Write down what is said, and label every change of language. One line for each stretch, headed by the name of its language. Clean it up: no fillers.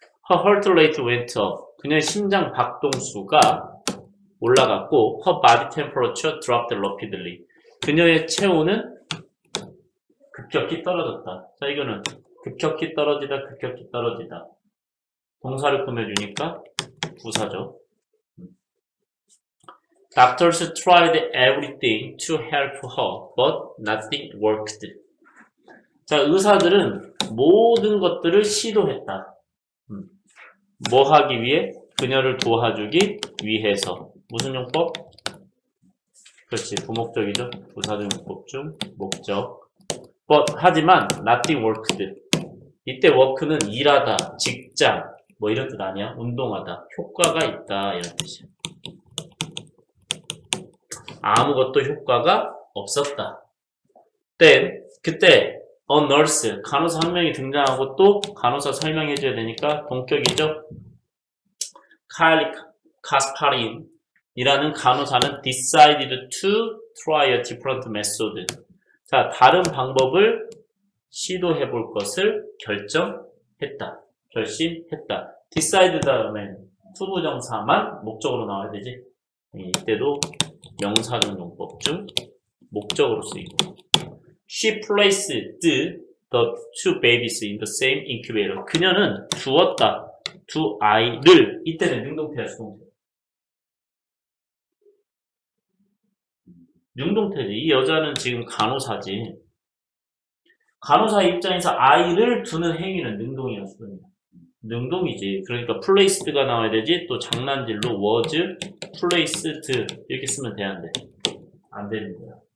English: Her heart rate went up. 그녀의 심장 박동수가 올라갔고, her body temperature dropped rapidly.
Korean: 그녀의 체온은 급격히 떨어졌다. 자, 이거는 급격히 떨어지다, 급격히 떨어지다. 동사를 꾸며주니까 부사죠.
English: Doctors tried everything to help her, but nothing worked.
Korean: 자, 의사들은 모든 것들을 시도했다. 뭐 하기 위해? 그녀를 도와주기 위해서. 무슨 용법? 그렇지, 부목적이죠. 부사적 용법 중 목적. But, 하지만 nothing worked. 이때 work는 일하다, 직장, 뭐 이런 뜻 아니야. 운동하다, 효과가 있다, 이런 뜻이야. 아무것도 효과가 없었다. Then, 그때 a nurse, 간호사 한 명이 등장하고 또 간호사 설명해 줘야 되니까 동격이죠.
English: 칼 가스파린이라는 간호사는 decided to try a different method.
Korean: 자, 다른 방법을 시도해 볼 것을 결정했다. 결심했다. decide 다음에 to 부정사만 목적으로 나와야 되지. 이때도 명사적 용법 중 목적으로 쓰이고.
English: She placed the two babies in the same incubator.
Korean: 그녀는 두었다. 두 아이를. 이때는 능동태야, 수동태. 능동태지. 이 여자는 지금 간호사지. 간호사 입장에서 아이를 두는 행위는 능동이야, 수동이야. 능동이지. 그러니까 placed가 나와야 되지. 또 장난질로 was placed 이렇게 쓰면 되는데 안 되는 거야.